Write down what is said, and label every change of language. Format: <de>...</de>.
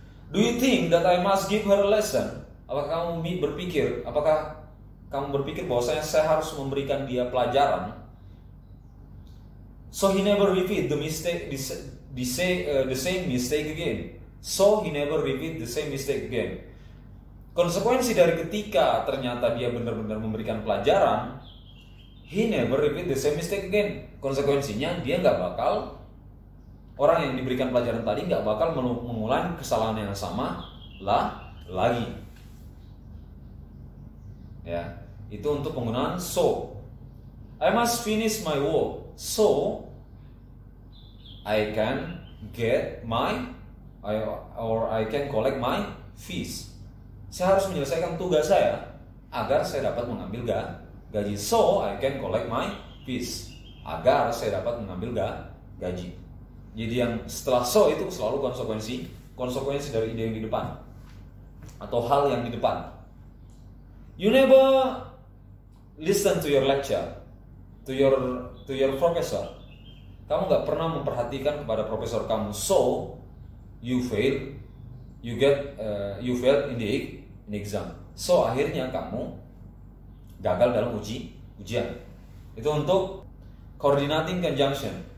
<en>Do you think that I must give her a lesson?</en> <id>Apakah kamu berpikir bahwasanya saya harus memberikan dia pelajaran?</id> <en>So he never repeat the mistake, the same mistake again. So he never repeat the same mistake again.</en> <id>Konsekuensi dari ketika ternyata dia benar-benar memberikan pelajaran,</id> <en>he never repeat the same mistake again.</en> <id>Konsekuensinya dia nggak bakal, orang yang diberikan pelajaran tadi nggak bakal mengulang kesalahan yang sama lagi. Ya, itu untuk penggunaan so.</id> <en>I must finish my work so I can get my or I can collect my fees.</en> <id>Saya harus menyelesaikan tugas saya agar saya dapat mengambil gaji.</id> <en>So I can collect my fees</en> <id>agar saya dapat mengambil gaji. Jadi yang setelah so itu selalu konsekuensi dari ide yang di depan atau hal yang di depan.</id> <en>You never listen to your lecture, to your professor.</en> <id>Kamu nggak pernah memperhatikan kepada profesor kamu.</id> <en>So you fail in the exam.</en> <id>So akhirnya kamu gagal dalam ujian. Itu untuk coordinating conjunction.</id>